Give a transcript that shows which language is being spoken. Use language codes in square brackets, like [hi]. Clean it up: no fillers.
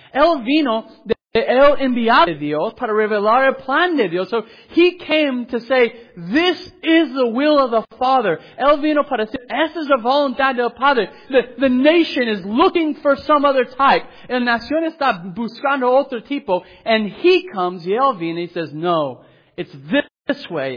[es] Él vino de el enviado de Dios para revelar el plan de Dios. [en] So he came to say, this is the will of the Father. [es] Él vino para decir, esta es la voluntad del Padre. [en] The nation is looking for some other type. [es] La nación está buscando otro tipo. [en] And he comes, [es] y él vino, [en] he says, no, it's this way.